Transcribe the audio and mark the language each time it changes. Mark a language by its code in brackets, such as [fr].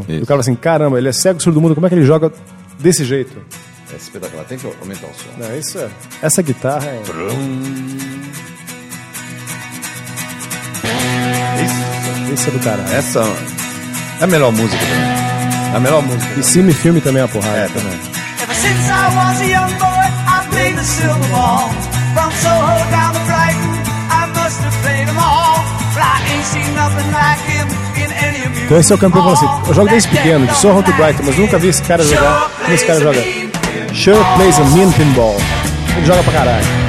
[pt] Isso. E o cara fala assim, caramba, ele é cego, surdo, mudo, como é que ele joga desse jeito? É espetacular, tem que aumentar o som. Não, isso é... Essa guitarra é... Brum. Essa é do caralho. Essa é a melhor música também. É a melhor música. E Cine Filme também é uma porrada. É, também. [en] Ever since I was a young boy, I played the silver ball. From Soho down to Brighton, I must have played them all. But I ain't seen nothing like him in any of you. [pt] Então esse é o campeão que eu falo assim. Eu jogo desde pequeno, de Soho to Brighton, mas nunca vi esse cara jogar. Como esse cara joga? [en] Sure plays a mean pinball. [pt] Ele joga pra caralho.